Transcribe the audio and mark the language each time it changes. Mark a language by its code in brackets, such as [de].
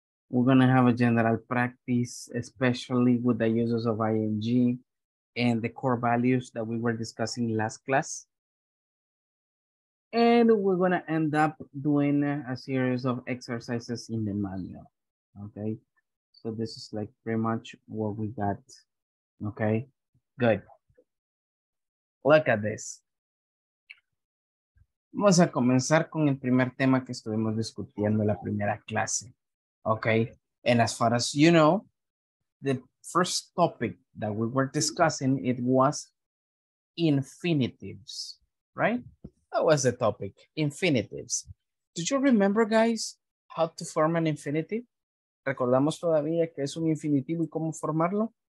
[en] We're gonna have a general practice, especially with the uses of ING and the core values that we were discussing last class. And we're gonna end up doing a series of exercises in the manual, okay? So this is like pretty much what we got, okay? Good. Look at this. [es] Vamos a comenzar con el primer tema que estuvimos discutiendo en la primera clase, okay? [en] And as far as you know, the first topic that we were discussing, it was infinitives, right? That was the topic, infinitives. Do you remember, guys, how to form an infinitive? [es] ¿Recordamos todavía qué es un infinitivo y cómo formarlo?